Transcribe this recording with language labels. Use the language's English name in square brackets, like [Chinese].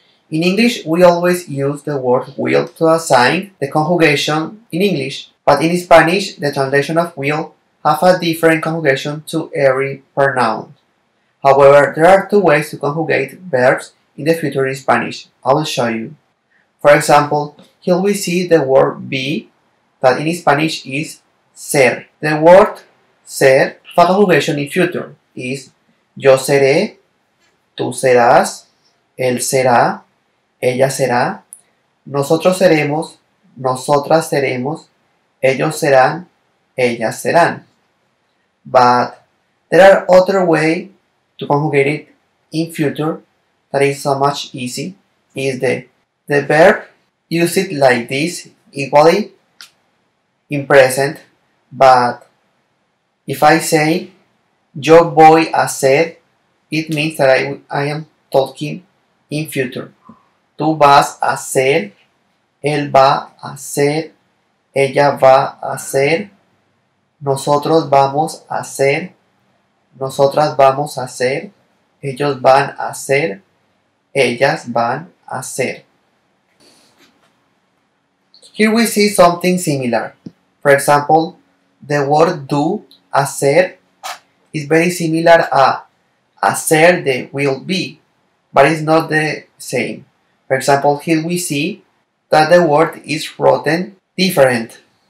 [English] In English, we always use the word will to assign the conjugation in English, but in Spanish, the translation of will have a different conjugation to every pronoun. However, there are two ways to conjugate verbs in the future in Spanish. I will show you. For example, here we see the word be, that in Spanish is ser. The word ser has a conjugation in future. [Spanish] Is yo seré, tú serás, él será, ella será, nosotros seremos, nosotras seremos, ellos serán, ellas serán. [English] But there are other way to conjugate it in future that is so much easy, is the verb use it like this equally in present. But if I say [Spanish] yo voy a ser, [English] it means that I am talking in future. [Spanish] Tú vas a ser, él va a ser, ella va a ser, nosotros vamos a ser, nosotras vamos a ser, ellos van a ser, ellas van a ser. [English] Here we see something similar. For example, the word do, hacer, is very similar a hacer the will be, but it's not the same. For example, here we see that the word is written different.